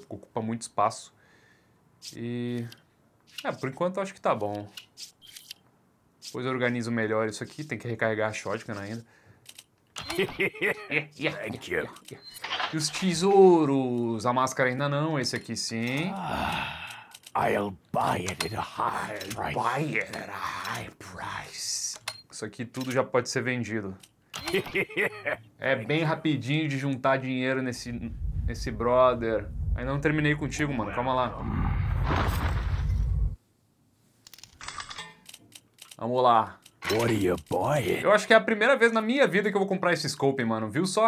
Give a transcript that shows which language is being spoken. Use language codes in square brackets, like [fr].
[pt] ocupa muito espaço. E... é, por enquanto eu acho que tá bom. Depois eu organizo melhor isso aqui. Tem que recarregar a shotgun ainda. [en] Thank you. [pt] E os tesouros? A máscara ainda não. Esse aqui sim. [en] I'll buy it at a high price. I'll buy it at a high price. [pt] Isso aqui tudo já pode ser vendido. É bem rapidinho de juntar dinheiro nesse brother. Ainda não terminei contigo, mano. Calma lá. Vamos lá. [en] What are you buying? [pt] Eu acho que é a primeira vez na minha vida que eu vou comprar esse scope, mano. Viu só?